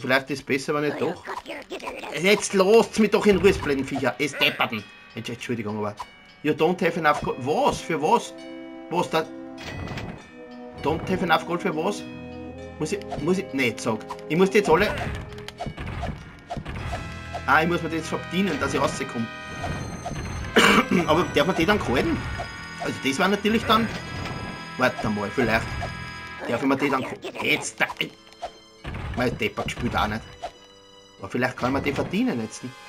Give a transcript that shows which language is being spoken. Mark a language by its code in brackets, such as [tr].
[de] Vielleicht ist es besser, wenn ich doch. Jetzt lasst mich doch in Ruhe, blöden Viecher. Es depperten. Entschuldigung, aber. [en] You don't have enough gold. [de] Was? Für was? Was da? [en] Don't have enough gold [de] für was? Muss ich. Nee, sag. Ich muss die jetzt alle. Ah, ich muss mir die jetzt verdienen, dass ich rauskomme. Aber darf man die dann kalten? Also, das war natürlich dann. Warte mal, vielleicht. Darf ich mir die dann. Jetzt da. Mein Deppert spielt auch nicht. Aber vielleicht kann ich mir die verdienen jetzt.